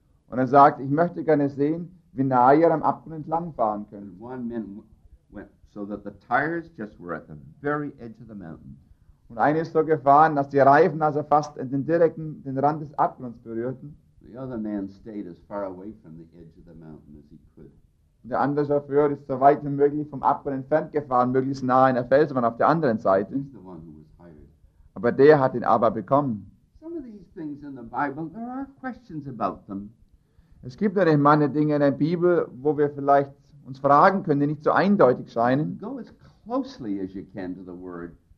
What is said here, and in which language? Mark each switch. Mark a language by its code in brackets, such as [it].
[de] Und er sagt, ich möchte gerne sehen, wie nah ihr am Abgrund entlang fahren könnt. [en] And one man went so that the tires just were at the very edge of the mountain. [de] Und einer ist so gefahren, dass die Reifen also fast den direkten Rand des Abgrunds berührten. [en] The other man stayed as far away from the edge of the mountain as he could. [de] Der andere Chauffeur ist so weit wie möglich vom Abgrund entfernt gefahren, möglichst nah in der Felswand auf der anderen Seite. [en] He's the one who was hired. [de] Aber der hat den Aber bekommen. [en] Some of these things in the Bible, there are questions about them. [de] Es gibt natürlich manche Dinge in der Bibel, wo wir vielleicht uns fragen können, die nicht so eindeutig scheinen. [en] Go as closely as you can to the word.